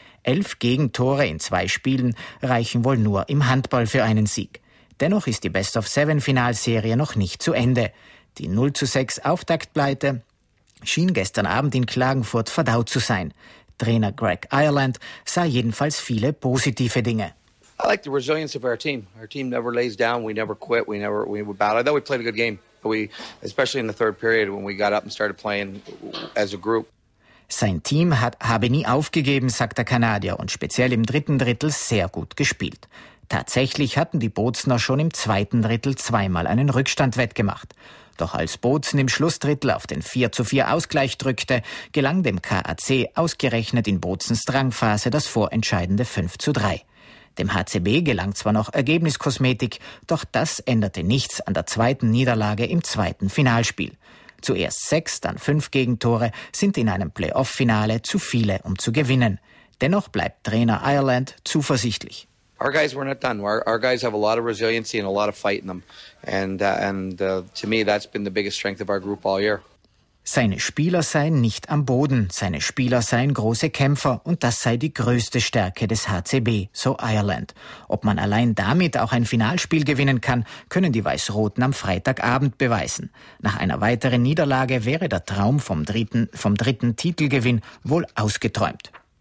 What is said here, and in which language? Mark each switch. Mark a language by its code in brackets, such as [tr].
[de] 11 Gegentore in 2 Spielen reichen wohl nur im Handball für einen Sieg. Dennoch ist die Best-of-Seven-Finalserie noch nicht zu Ende. Die 0:6 Auftaktpleite schien gestern Abend in Klagenfurt verdaut zu sein. Trainer Greg Ireland sah jedenfalls viele positive Dinge. [en] I like the resilience of our team. Our team never lays down, we never quit, we battle. I thought we played a good game. We, especially in the third period when we got up and started playing as a group. [de] Sein Team habe nie aufgegeben, sagt der Kanadier, und speziell im dritten Drittel sehr gut gespielt. Tatsächlich hatten die Bozner schon im zweiten Drittel zweimal einen Rückstand wettgemacht. Doch als Bozen im Schlussdrittel auf den 4:4 Ausgleich drückte, gelang dem KAC ausgerechnet in Bozens Drangphase das vorentscheidende 5:3. Dem HCB gelang zwar noch Ergebniskosmetik, doch das änderte nichts an der zweiten Niederlage im zweiten Finalspiel. Zuerst 6, dann 5 Gegentore sind in einem Playoff-Finale zu viele, um zu gewinnen. Dennoch bleibt Trainer Ireland zuversichtlich. [en] Our guys were not done. Our guys have a lot of resiliency and a lot of fight in them. To me, that's been the biggest strength of our group all year. [de] Seine Spieler seien nicht am Boden. Seine Spieler seien große Kämpfer. Und das sei die größte Stärke des HCB, so Ireland. Ob man allein damit auch ein Finalspiel gewinnen kann, können die Weiß-Roten am Freitagabend beweisen. Nach einer weiteren Niederlage wäre der Traum vom dritten Titelgewinn wohl ausgeträumt.